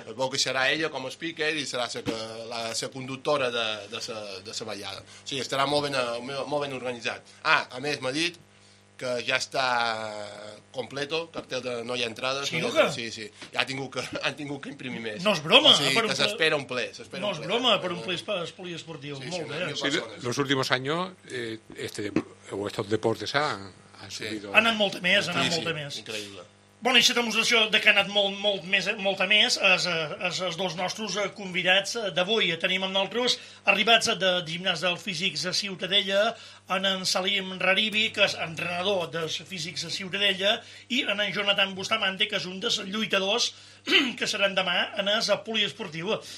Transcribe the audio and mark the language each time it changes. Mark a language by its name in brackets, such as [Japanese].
[Catalan] El bo que serà ella com a speaker i serà la conductora de la ballada. O sigui, estarà molt ben organitzat. Ah, a més, m'ha dit que ja està [Spanish] completo, cartel de [Catalan] no hi ha entrades. Sí, no? Sí. Ja han tingut que imprimir més. No és broma. O sigui, que s'espera un ple. S'espera no un ple, és broma, per un ple poliesportiu. Sí, molt sí, bé. [Spanish] Sí, los últimos años, estos deportes han subido... [Catalan] Ha anat molt a més, ha anat molt a més. Increïble. Bueno, i aquesta demostració que ha anat molt a més és els dos nostres convidats d'avui. Tenim amb nosaltres, arribats de Gimnàs del Físics a Ciutadella, en Salim Raribi, que és entrenador dels Físics a Ciutadella, i en Jonathan Bustamante, que és un dels lluitadors que seran demà en el poliesportiu.